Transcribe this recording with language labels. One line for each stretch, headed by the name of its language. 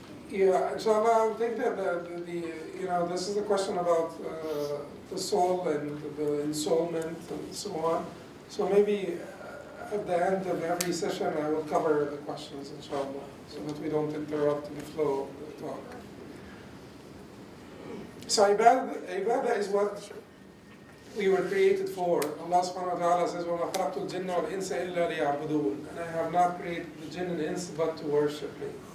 English: Yeah, inshallah, I think that this is a question about the soul and the ensoulment and so on. So maybe at the end of every session, I will cover the questions, inshallah, so that we don't interrupt the flow of the talk. So ibadah is what we were created for.
Arabic: Allah subhanahu wa ta'ala says, وَمَا خَلَقْتُ الْجِنَّ وَالْإِنسَ إِلَّا لِيَعْبُدُونَ.
English: And I have not created the jinn and ins but to worship me.